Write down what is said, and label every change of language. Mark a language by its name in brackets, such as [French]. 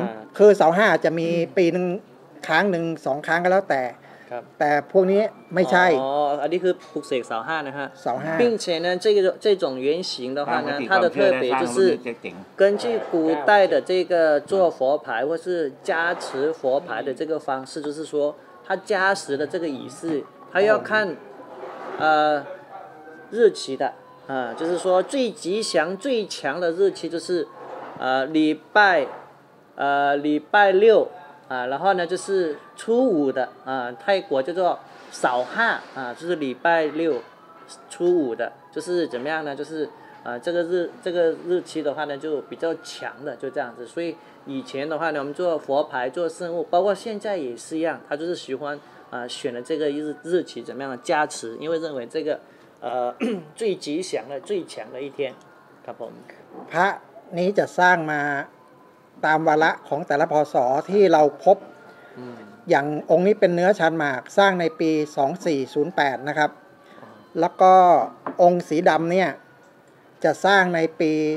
[Thai] 2403คือเสา5จะมีปีนึงครั้งนึง2ครั้งก็แล้วแต่แต่พวกนี้ไม่ใช่ อ๋ ออันนี้คือปลุกเสกเสา5นะฮะ เสา5 [Chinese] 并且呢这种原型的话呢它的特别就是根据古代的这个做佛牌或是加持佛牌的这个方式就是说它加持的这个仪式它要看日期的就是说最吉祥最强的日期就是礼拜六然后呢就是初五的泰国叫做扫哈就是礼拜六初五的就是怎么样呢就是这个日期的话呢就比较强的就这样子所以以前的话呢我们做佛牌做圣物包括现在也是一样他就是喜欢选了这个日期怎么样的加持因为认为这个最吉祥的最强的一天 [Thai] ครับผม พระนี้จะสร้างมาตามวาระของแต่ละพ.ศ.ที่เราพบ อย่างองค์นี้เป็นเนื้อชาญหมากสร้างในปี2408นะครับแล้วก็องค์สีดำเนี่ยจะสร้างในปี